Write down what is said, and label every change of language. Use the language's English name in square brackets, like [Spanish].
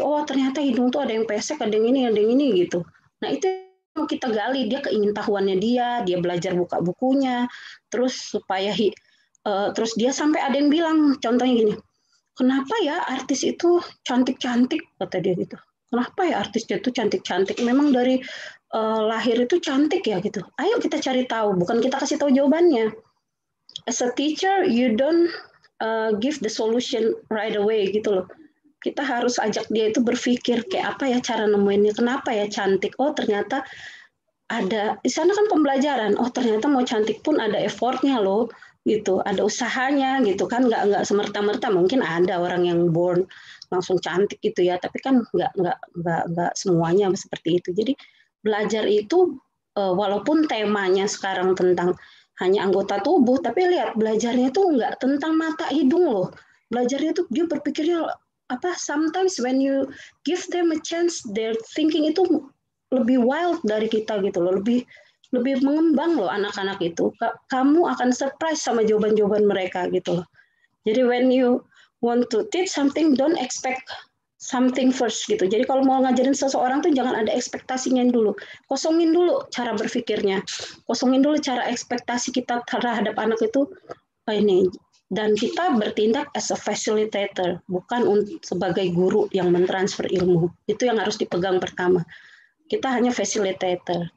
[Indonesian] Oh, ternyata hidung tuh ada yang pesek, ada yang ini gitu. Nah, itu mau kita gali dia keingintahuannya dia belajar buka bukunya, terus supaya terus dia sampai ada yang bilang contohnya gini. Kenapa ya artis itu cantik-cantik, kata dia gitu. Kenapa ya artisnya itu cantik-cantik? Memang dari lahir itu cantik ya gitu. Ayo kita cari tahu, bukan kita kasih tahu jawabannya. [English] As a teacher, you don't give the solution right away [Indonesian] gitu loh. Kita harus ajak dia itu berpikir kayak apa ya cara nemuinnya, kenapa ya cantik? Oh ternyata ada di sana kan pembelajaran. Oh ternyata mau cantik pun ada effortnya loh gitu, ada usahanya gitu kan, nggak semerta-merta. Mungkin ada orang yang born langsung cantik gitu ya, tapi kan nggak semuanya seperti itu. Jadi belajar itu, walaupun temanya sekarang tentang hanya anggota tubuh, tapi lihat, belajarnya itu nggak tentang mata hidung loh. Belajarnya itu dia berpikirnya, apa, [English] sometimes when you give them a chance, their thinking [Indonesian] itu lebih wild dari kita gitu loh, lebih mengembang loh anak-anak itu. Kamu akan surprise sama jawaban-jawaban mereka gitu loh. Jadi [English] when you want to teach something, don't expect something first [Indonesian] gitu. Jadi kalau mau ngajarin seseorang tuh jangan ada ekspektasinya dulu. Kosongin dulu cara berpikirnya. Kosongin dulu cara ekspektasi kita terhadap anak itu ini. Dan kita bertindak [English] as a facilitator, [Indonesian] bukan sebagai guru yang mentransfer ilmu. Itu yang harus dipegang pertama. Kita hanya facilitator.